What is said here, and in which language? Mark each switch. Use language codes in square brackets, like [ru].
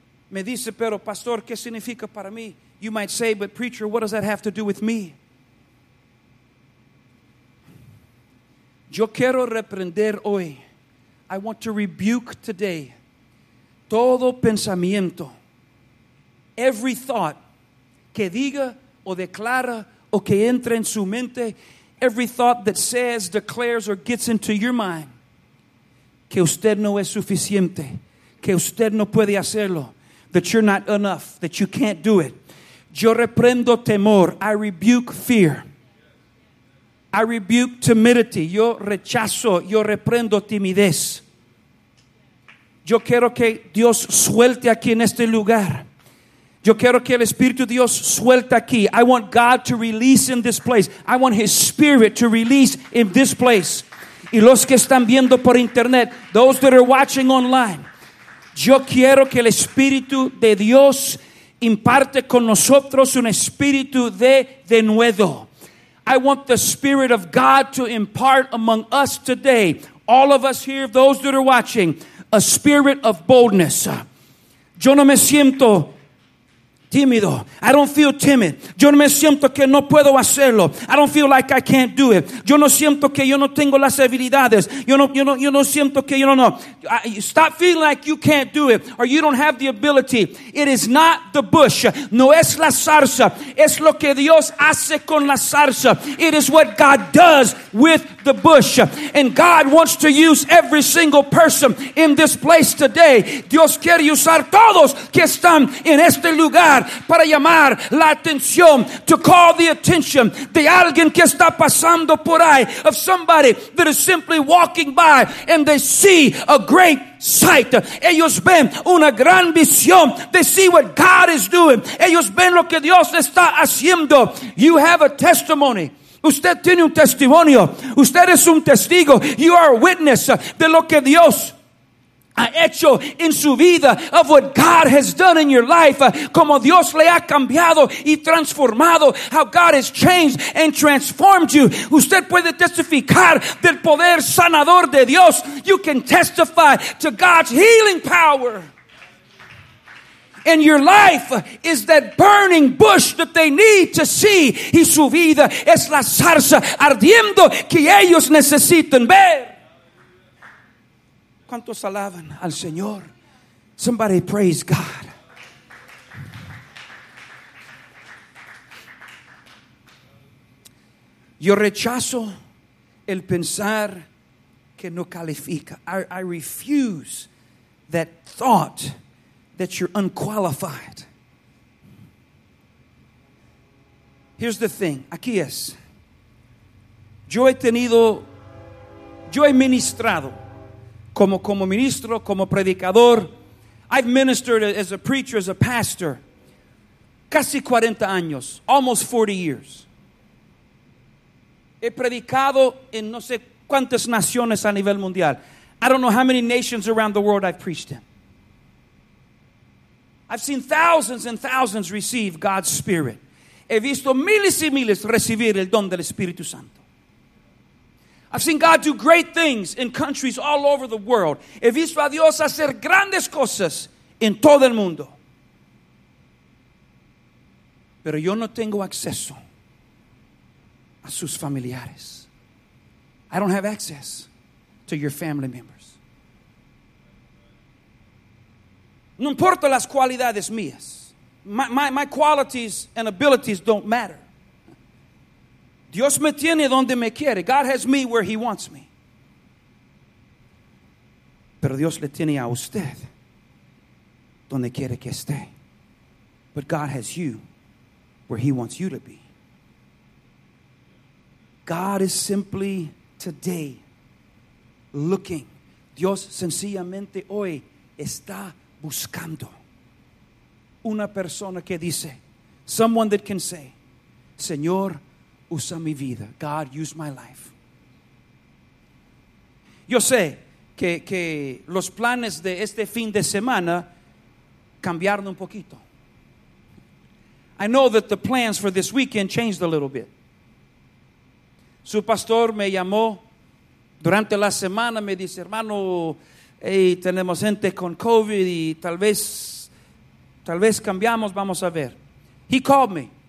[es] Me dice, pero pastor, ¿qué significa para mí? [en] You might say, but preacher, what does that have to do with me? [es] Yo quiero reprender hoy. [en] I want to rebuke today. [es] Todo pensamiento. [en] Every thought. [es] Que diga o declara o que entre en su mente. [en] Every thought that says, declares, or gets into your mind. [es] Que usted no es suficiente. Que usted no puede hacerlo. [en] That you're not enough. That you can't do it. [es] Yo reprendo temor. [en] I rebuke fear. I rebuke timidity. [es] Yo rechazo. Yo reprendo timidez. Yo quiero que Dios suelte aquí en este lugar. Yo quiero que el Espíritu de Dios suelte aquí. [en] I want God to release in this place. I want His Spirit to release in this place. [es] Y los que están viendo por internet, [en] those that are watching online, [es] yo quiero que el Espíritu de Dios imparte con nosotros un espíritu de denuedo. [en] I want the Spirit of God to impart among us today, all of us here, those that are watching, a spirit of boldness. [es] Yo no me siento tímido. [en] I don't feel timid. [es] Yo no me siento que no puedo hacerlo. [en] I don't feel like I can't do it. [es] Yo no siento que yo no tengo las habilidades. Yo no siento que yo no know. [en] Stop feeling like you can't do it or you don't have the ability. It is not the bush. [es] No es la zarza. Es lo que Dios hace con la zarza. [en] It is what God does with the bush. And God wants to use every single person in this place today. [es] Dios quiere usar todos que están en este lugar. Para llamar la atención, [en] to call the attention [es] de alguien que está pasando por ahí, [en] of somebody that is simply walking by and they see a great sight. [es] Ellos ven una gran visión. [en] They see what God is doing. [es] Ellos ven lo que Dios está haciendo. [en] You have a testimony. [es] Usted tiene un testimonio. Usted es un testigo. [en] You are a witness [es] de lo que Dios ha hecho en su vida, [en] of what God has done in your life, [es] como Dios le ha cambiado y transformado, [en] how God has changed and transformed you. [es] Usted puede testificar del poder sanador de Dios. [en] You can testify to God's healing power. And your life is that burning bush that they need to see. [es] Y su vida es la zarza ardiendo que ellos necesitan ver. ¿Cuántos alaban al Señor? [en] Somebody praise God. [es] Yo rechazo el pensar que no califica. [en] I refuse that thought that you're unqualified. Here's the thing. [es] Aquí es. Yo he ministrado como ministro, como predicador. [en] I've ministered as a preacher, as a pastor. [es] Casi 40 años, [en] almost 40 years. [es] He predicado en no sé cuántas naciones a nivel mundial. [en] I don't know how many nations around the world I've preached in. I've seen thousands and thousands receive God's Spirit. [es] He visto miles y miles recibir el don del Espíritu Santo. [en] I've seen God do great things in countries all over the world. [es] He visto a Dios hacer grandes cosas en todo el mundo. Pero yo no tengo acceso a sus familiares. [en] I don't have access to your family members. [es] No importa las cualidades mías. [en] My qualities and abilities don't matter. [es] Dios me tiene donde me quiere. [en] God has me where he wants me. [es] Pero Dios le tiene a usted donde quiere que esté. [en] But God has you where he wants you to be. God is simply today looking. [es] Dios sencillamente hoy está buscando una persona que dice, [en] someone that can say, [es] Señor, usa mi vida. [en] God, use my life. [es] Yo sé que los planes de este fin de semana cambiaron un poquito. [en] I know that the plans for this weekend changed a little bit. [es] Su pastor me llamó durante la semana, me dice, hermano, hey, tenemos gente con COVID y tal vez cambiamos, vamos a ver. [en] He called me.